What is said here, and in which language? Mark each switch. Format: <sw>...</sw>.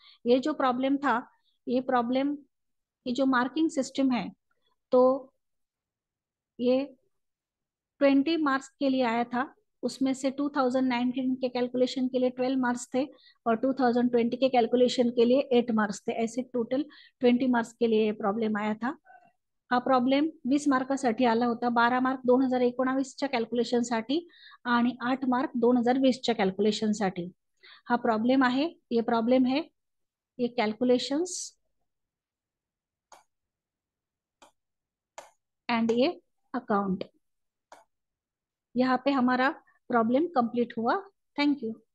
<hi>ये जो प्रॉब्लम था, ये प्रॉब्लम ये जो मार्किंग सिस्टम है तो ये 20 मार्क्स के लिए आया था, उसमें से 2019 के कैलकुलेशन के लिए 12 मार्क्स थे और 2020 के कैलकुलेशन के लिए 8 मार्क्स थे, ऐसे टोटल 20 मार्क्स के लिए ये प्रॉब्लम आया था।</hi> <mr>हा प्रॉब्लेम 20 मार्कासाठी आला होता, 12 मार्क 2019 कॅल्क्युलेशनसाठी आणि 8 मार्क 2020 कॅल्क्युलेशनसाठी हा प्रॉब्लेम आहे।</mr> <hi>ये प्रॉब्लेम है, ये कॅल्क्युलेशन्स एंड ये अकाउंट, यहाँ पे हमारा प्रॉब्लेम कंप्लीट हुआ। Thank you.</hi>